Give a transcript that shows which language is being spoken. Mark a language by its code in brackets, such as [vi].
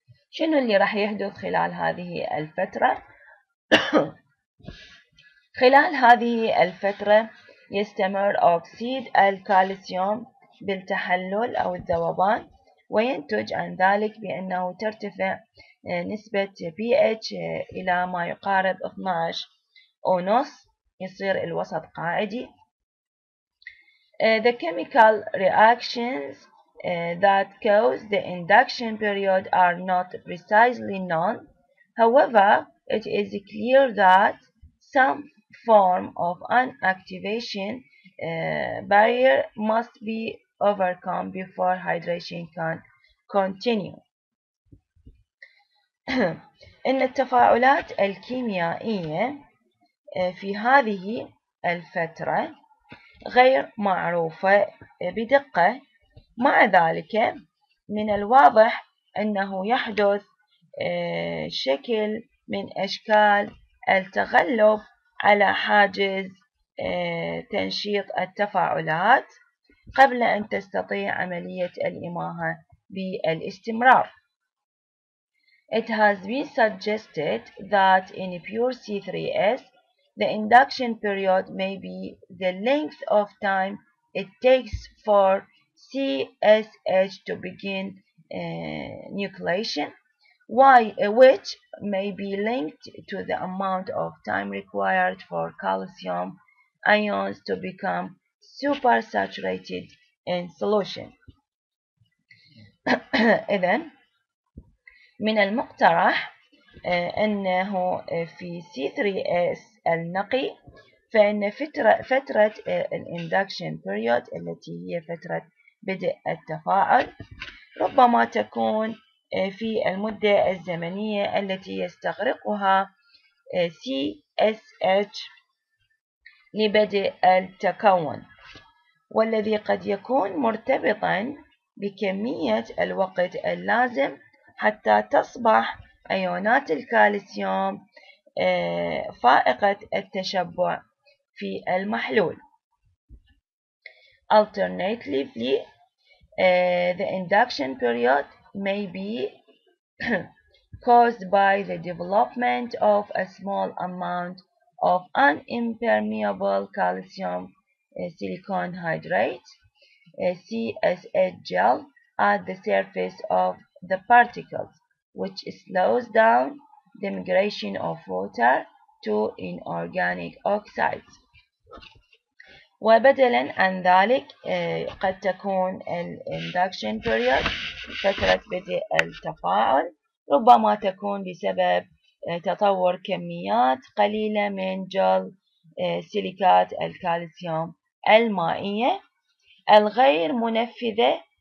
[ar] شنو اللي راح يحدث خلال هذه الفترة؟ خلال هذه الفترة يستمر أكسيد الكالسيوم بالتحلل أو الذوبان، وينتج عن ذلك بأنه ترتفع نسبة pH إلى ما يقارب 12.5، يصير الوسط قاعدي. [en] The chemical reactions that cause the induction period are not precisely known. However, it is clear that some form of an activation barrier must be overcome before hydration can continue. [ar] إن التفاعلات الكيميائية في هذه الفترة غير معروفة بدقة، مع ذلك من الواضح أنه يحدث شكل من أشكال التغلب على حاجز تنشيط التفاعلات قبل أن تستطيع عملية الإماهة بالاستمرار. [en] It has been suggested that in pure C3S, the induction period may be the length of time it takes for CSH to begin nucleation, which may be linked to the amount of time required for calcium ions to become supersaturated in solution. [ar] إذن من المقترح أنه في C3S النقي فإن فترة الاندكشن بيريود التي هي فترة بدء التفاعل ربما تكون في المدة الزمنية التي يستغرقها CSH لبدء التكون، والذي قد يكون مرتبطاً بكمية الوقت اللازم حتى تصبح أيونات الكالسيوم فائقة التشبع في المحلول. [en] Alternatively, the induction period may be caused by the development of a small amount of an impermeable calcium silicon hydrate, CSH gel, at the surface of the particles. which slows down the migration of water to inorganic oxides. [ar] وبدلا عن ذلك قد تكون الاندكشن بيريود فترة بدء التفاعل ربما تكون بسبب تطور كميات قليلة من جل سيليكات الكالسيوم المائية الغير منفذة